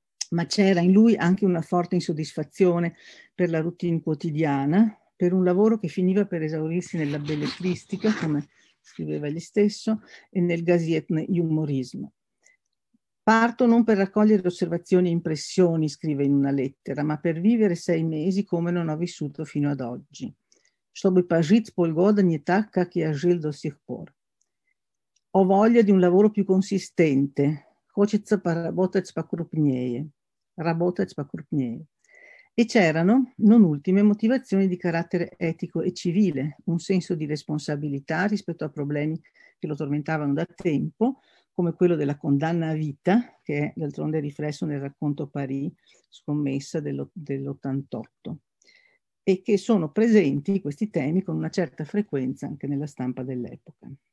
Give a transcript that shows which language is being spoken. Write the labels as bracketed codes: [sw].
[it] Ma c'era in lui anche una forte insoddisfazione per la routine quotidiana, per un lavoro che finiva per esaurirsi nella belletristica, come scriveva egli stesso, e nel Gazetten-Humorismo. Parto non per raccogliere osservazioni e impressioni, scrive in una lettera, ma per vivere 6 mesi come non ho vissuto fino ad oggi. [ru] Чтобы пожить полгода так, как я жил до сих пор. [it] Ho voglia di un lavoro più consistente. [ru] Хочется поработать покрупнее. Работать покрупнее. [it] E c'erano, non ultime, motivazioni di carattere etico e civile, un senso di responsabilità rispetto a problemi che lo tormentavano da tempo, come quello della condanna a vita, che è d'altronde riflesso nel racconto Paris, scommessa dell'88, e che sono presenti questi temi con una certa frequenza anche nella stampa dell'epoca.